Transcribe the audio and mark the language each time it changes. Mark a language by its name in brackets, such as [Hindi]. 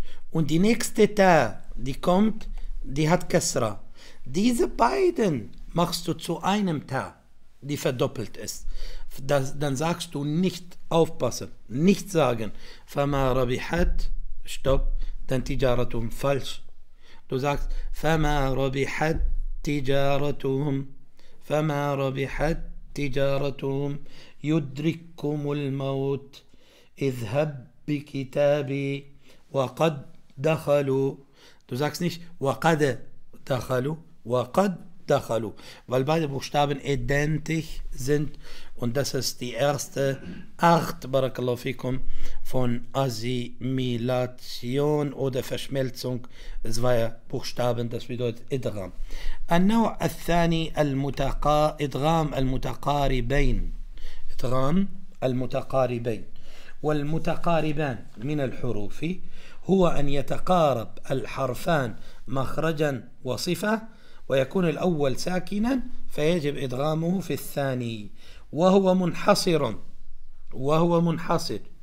[German] Und die nächste تَا, die kommt, die hat Kasra. Diese beiden machst du zu einem تَا, die verdoppelt ist. Das, dann sagst du nicht aufpassen, nicht sagen, [Arabic] فَمَا رَبِحَتْ, [German] stopp, dann تِجَارَتُهُمْ, falsch. Du sagst, [Arabic] فَمَا رَبِحَتْ تِجَارَتُهُمْ, فَمَا رَبِحَتْ تِجَارَتُهُمْ, يُدْرِكُمُ الْمَوْتِ, اذْهَبْ بِكِتَابِي, وَقَدْ دَخَلُوا. [German] Du sagst nicht, [Arabic] وَقَدْ دَخَلُوا, وَقَدْ دخلوا, [German] weil beide Buchstaben identisch sind und das ist die erste Art, barakallahu fikum, von Assimilation oder Verschmelzung zweier Buchstaben, das bedeutet Idgham. [Arabic] النوع الثاني إدغام المتقاربين. إدغام المتقاربين والمتقاربان من الحروف هو أن يتقارب الحرفان مخرجا وصفة ويكون الأول ساكنا فيجب إدغامه في الثاني وهو منحصر وهو منحصر.